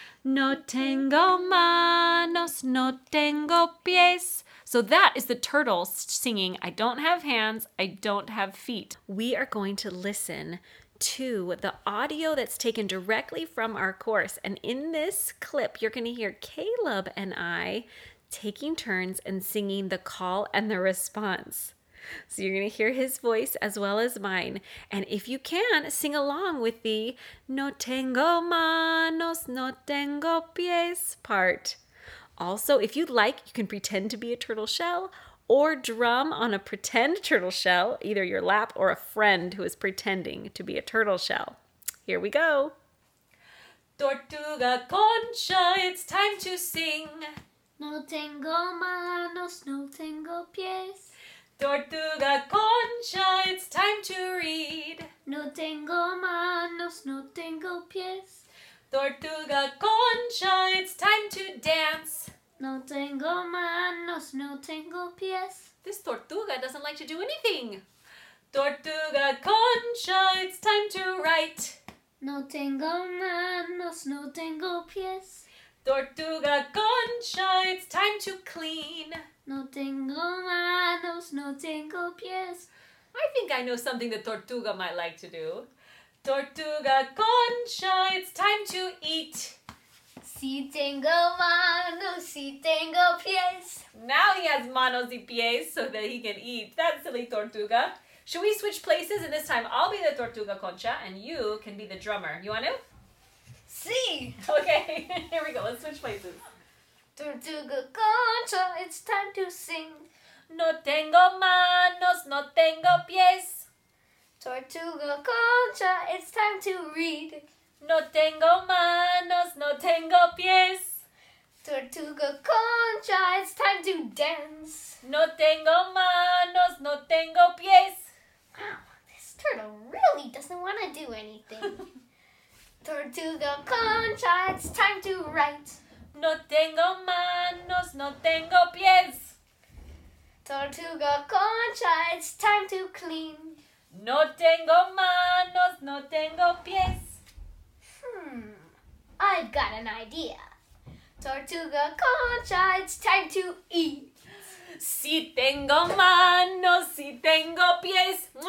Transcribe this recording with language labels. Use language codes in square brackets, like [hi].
[es] No tengo manos, no tengo pies. [en] So that is the turtle singing, I don't have hands, I don't have feet. We are going to listen to the audio that's taken directly from our course. And in this clip, you're going to hear Caleb and I taking turns and singing the call and the response. So you're going to hear his voice as well as mine. And if you can, sing along with the [es] no tengo manos, no tengo pies [en] part. Also, if you'd like, you can pretend to be a turtle shell or drum on a pretend turtle shell, either your lap or a friend who is pretending to be a turtle shell. Here we go. Tortuga Concha, it's time to sing. [es] No tengo manos, no tengo pies. [en] Tortuga Concha, it's time to read. [es] No tengo manos, no tengo pies. [en] Tortuga Concha, it's time to dance. [es] No tengo manos, no tengo pies. [en] This tortuga doesn't like to do anything. Tortuga Concha, it's time to write. [es] No tengo manos, no tengo pies. [en] Tortuga Concha, it's time to clean. [es] No tengo manos, no tengo pies. [en] I think I know something the tortuga might like to do. Tortuga Concha, it's time to eat. [es] Si tengo manos, si tengo pies. [en] Now he has [es] manos y pies [en] so that he can eat. That silly tortuga. Should we switch places? And this time I'll be the Tortuga Concha and you can be the drummer. You want to? [es] Si. [en] Okay, here we go. Let's switch places. Tortuga Concha, it's time to sing. [es] No tengo manos, no tengo pies. [en] Tortuga Concha, it's time to read. [es] No tengo manos, no tengo pies. [en] Tortuga Concha, it's time to dance. [es] No tengo manos, no tengo pies. [en] Wow, this turtle really doesn't want to do anything. Tortuga Concha, it's time to write. [es] No tengo manos, no tengo pies. [en] Tortuga Concha, it's time to clean. [es] No tengo manos, no tengo pies. [en] I've got an idea. Tortuga Concha, it's time to eat. [es] Si tengo manos, si tengo pies.